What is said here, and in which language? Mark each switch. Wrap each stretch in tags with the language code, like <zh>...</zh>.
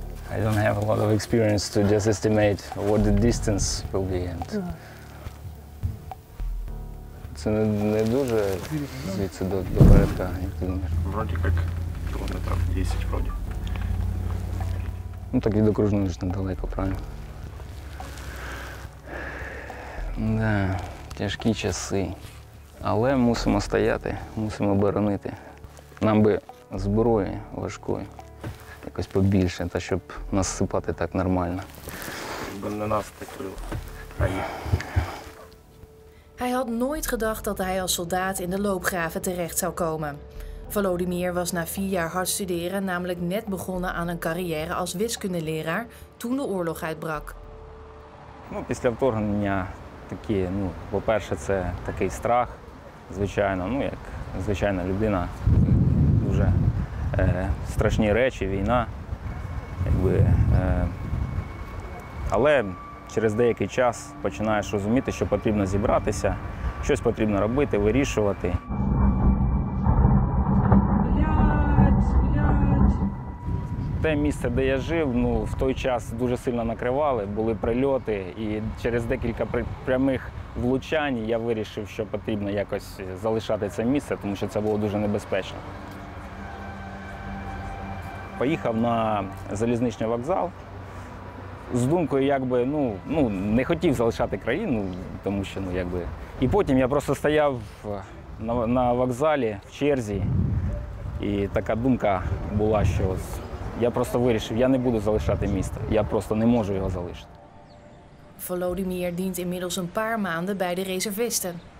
<en>I don't have a lot of experience to just estimate what the distance will be.</en> <uk>And це не дуже звідси до берега, як ти думаєш? Вроді як кілометрів 10, вроді. Ну так і до кружного ж недалеко, правильно? Да, тяжкі часи. Але мусимо стояти, мусимо боронити. Нам би зброї важкої якось побільше, та щоб нас сипати так нормально. Бо не нас так було.</uk> <nl>Hij had nooit gedacht dat hij als soldaat in de loopgraven terecht zou komen. Volodymyr was na 4 jaar hard studeren namelijk net begonnen aan een carrière als wiskundeleraar toen de oorlog uitbrak.</nl> <uk>Ну, після вторгнення такі, ну, по-перше, це такий страх, звичайно, ну, як звичайна людина, дуже страшні речі, війна, якби, але через деякий час починаєш розуміти, що потрібно зібратися, щось потрібно робити, вирішувати. Те місце, де я жив, ну, в той час дуже сильно накривали, були прильоти, і через декілька прямих влучань я вирішив, що потрібно якось залишати це місце, тому що це було дуже небезпечно. Поїхав на залізничний вокзал. З думкою, якби, ну, не хотів залишати країну, тому що, ну, якби. І потім я просто стояв на вокзалі в черзі, і така думка була, що ось, я просто вирішив, я не буду залишати місто. Я просто не можу його залишити.</uk> <nl>Volodymyr dient inmiddels een paar maanden bij de reservisten.</nl>